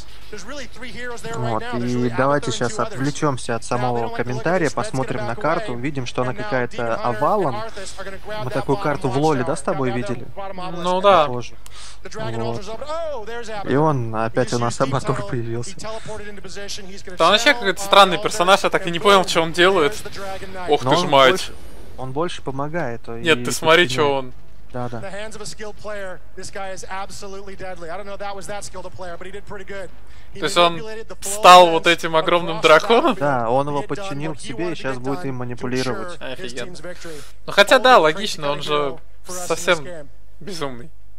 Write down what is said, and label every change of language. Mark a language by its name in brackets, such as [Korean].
[Russian] Вот. И давайте сейчас отвлечемся от самого комментария, посмотрим на карту, видим, что она какая-то овалом. Мы такую карту в Лоле, да, с тобой видели? Ну да. Похоже. Вот. И он опять у нас Абатур появился. Там вообще какой-то странный персонаж, я так и не понял, что он делает. Ох, но ты ж мать. Он больше помогает. Нет, ты смотри, что он. Да-да. [English] The hands of a skilled player, this guy is absolutely deadly. I don't know if that was that skilled a player, but he did pretty good. [Russian] То есть он стал вот этим огромным драконом? Да, он его подчинил к себе и сейчас будет им манипулировать. Офигенно. Ну хотя да, логично, он же совсем безумный.